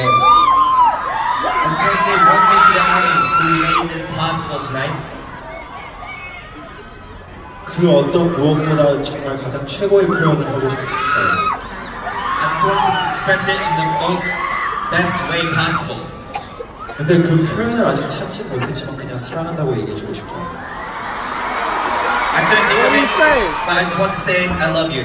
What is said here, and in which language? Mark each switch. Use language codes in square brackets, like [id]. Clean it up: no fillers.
[en] I just want to say one thing to the army who made this possible tonight. [ko] 그 어떤 무엇보다 정말 가장 최고의 표현을 하고 싶어요. [en] I just want to express it in the most best way possible. [ko] 근데 그 표현을 아직 찾지 못했지만 그냥 사랑한다고 얘기해주고 싶어요. [en] I couldn't think of it, but I just want to say I love you.